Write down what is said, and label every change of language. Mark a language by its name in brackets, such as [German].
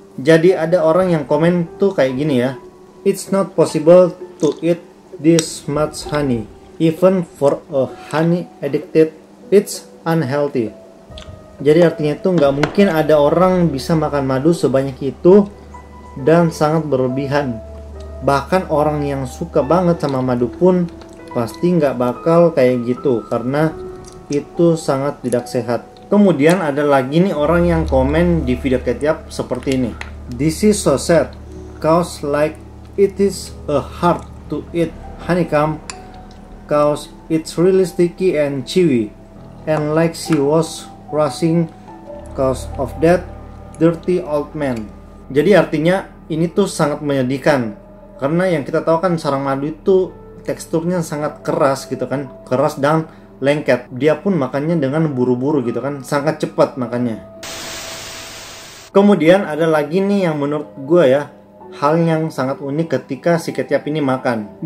[Indonesian] Jadi ada orang yang komen tuh kayak gini ya, [English] "It's not possible to eat this much honey, even for a honey addicted, it's unhealthy." [Indonesian] Jadi artinya itu nggak mungkin ada orang bisa makan madu sebanyak itu dan sangat berlebihan. Bahkan orang yang suka banget sama madu pun pasti nggak bakal kayak gitu, karena itu sangat tidak sehat. Kemudian ada lagi nih orang yang komen di video Kate Yup seperti ini, [English] "This is so sad, cause like it is a hard to eat honeycomb, cause it's really sticky and chewy, and like she was rushing cause of that dirty old man." [Indonesian] Jadi artinya ini tuh sangat menyedihkan, karena yang kita tahu kan sarang madu itu teksturnya sangat keras gitu kan, keras dan lengket. Dia pun makannya dengan buru-buru gitu kan, sangat cepat makannya. Kemudian ada lagi nih yang menurut gue ya, hal yang sangat unik ketika si Kate Yup ini makan.